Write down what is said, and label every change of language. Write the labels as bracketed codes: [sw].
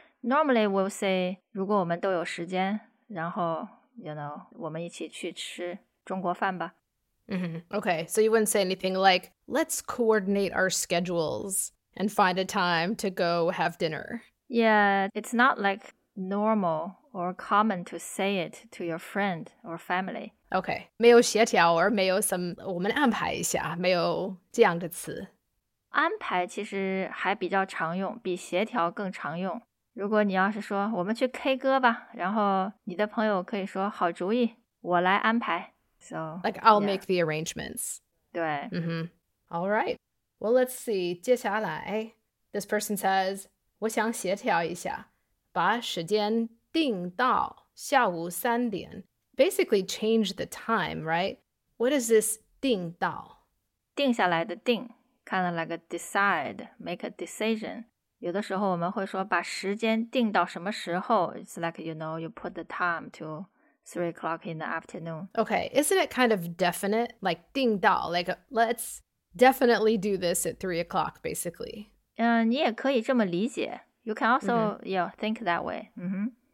[en] Normally, we'll say, [zh] 如果我们都有时间，然后, [en] you know, [zh] 我们一起去吃中国饭吧。 Mm-hmm. [en] Okay, so you wouldn't say anything like, let's coordinate our schedules and find a time to go have dinner. Yeah, it's not like normal or common to say it to your friend or family. [zh] Okay, 没有协调而没有什么我们安排一下，没有这样的词。安排其实还比较常用，比协调更常用。如果你要是说我们去 K 歌吧，然后你的朋友可以说好主意，我来安排。 [en] So, like, I'll make the arrangements. [zh] 对。 [en] Mm-hmm. All right. Well, let's see. [zh] 接下来, [en] this person says, [zh] 我想协调一下,把时间定到下午三点。 [en] Basically, change the time, right? What is this 定到? [zh] 定下来的定, [en] kind of like a decide, make a decision. [zh] 有的时候我们会说把时间定到什么时候。 [en] It's like, you know, you put the time to... 3 o'clock in the afternoon. Okay, isn't it kind of definite? Like, 定到, like, let's definitely do this at 3 o'clock, basically. [zh] 你也可以这么理解。 [en] You can also, mm-hmm. you know, think that way. Mm-hmm.